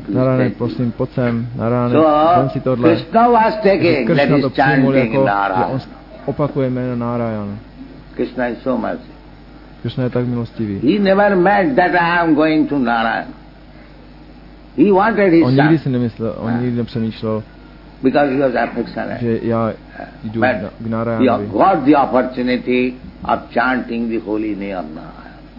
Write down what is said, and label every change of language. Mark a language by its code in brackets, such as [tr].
[cs] Narayana, prosím, pojď sem. Narayana, vem si tohle. [en] Krishna was taking, let his chanting in Narayana. [cs] On opakuje jméno Narayana. [en] Krishna is so merciful. [cs] Krishna je tak milostivý. [en] He never meant that I am going to Narayana. He wanted his [cs] on nikdy si nemyslel, on nikdy nepřemýšlel, [en] because he was affectionate. [cs] Že já jdu k Narayanovi. [en] But he got the opportunity of chanting the holy name of Narayana.